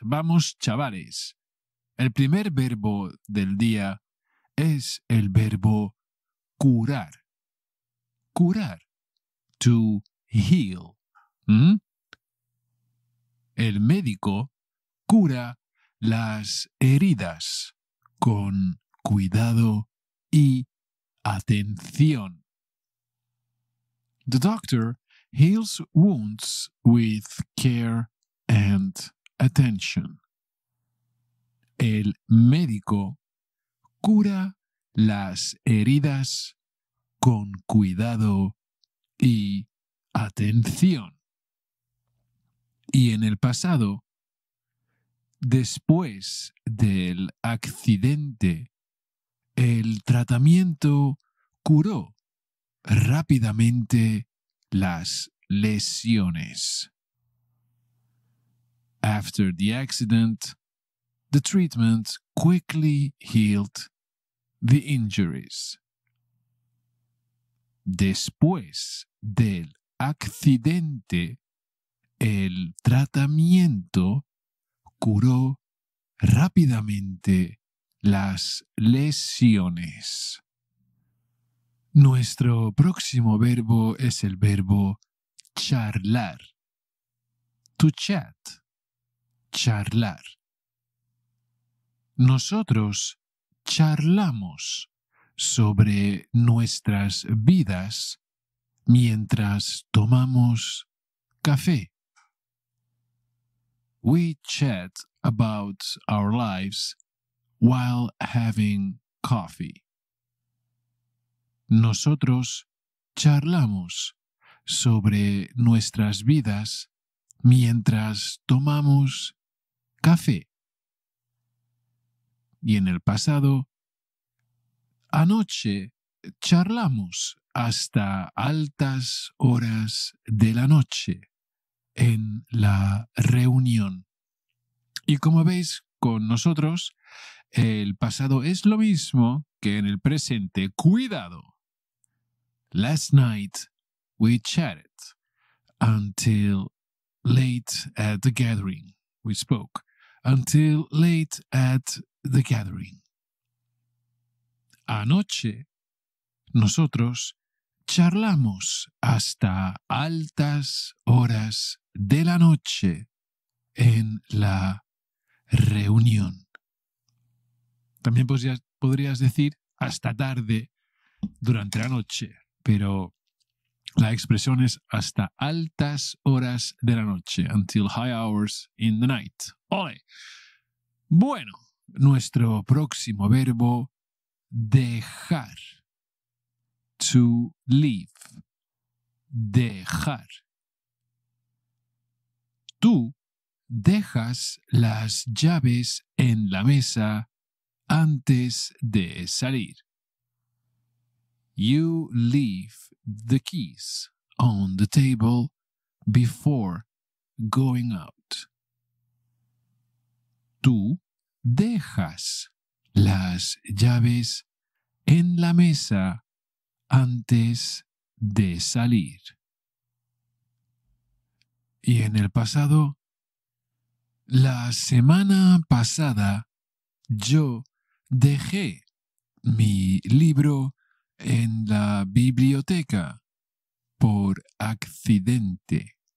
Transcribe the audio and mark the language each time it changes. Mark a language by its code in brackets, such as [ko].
[es] Vamos chavales. El primer verbo del día es el verbo curar. Curar. [en] To heal. [es] El médico cura las heridas con cuidado y atención. [en] The doctor heals wounds with care and attention. [es] El médico cura las heridas con cuidado y atención. Y en el pasado, después del accidente, el tratamiento curó rápidamente las lesiones. [en] After the accident, the treatment quickly healed the injuries. [es] Después del accidente, el tratamiento curó rápidamente las lesiones. Nuestro próximo verbo es el verbo charlar. [en] To chat. [es] Charlar. Nosotros charlamos sobre nuestras vidas mientras tomamos café. [en] We chat about our lives while having coffee. [es] Nosotros charlamos sobre nuestras vidas mientras tomamos café. Y en el pasado, anoche charlamos hasta altas horas de la noche en la reunión. Y como veis, con nosotros, el pasado es lo mismo que en el presente. ¡Cuidado! [en] Last night, we chatted until late at the gathering. We spoke until late at the gathering. [es] Anoche, nosotros charlamos hasta altas horas de la noche en la reunión. También podrías decir hasta tarde durante la noche, pero la expresión es hasta altas horas de la noche, [en] until high hours in the night. [es] ¡Ole! Bueno, nuestro próximo verbo, dejar. [en] To leave. [es] Dejar. Tú dejas las llaves en la mesa antes de salir. [en] You leave the keys on the table before going out. [es] Tú dejas las llaves en la mesa antes de salir. Y en el pasado, la semana pasada, yo dejé mi libro en la biblioteca por accidente.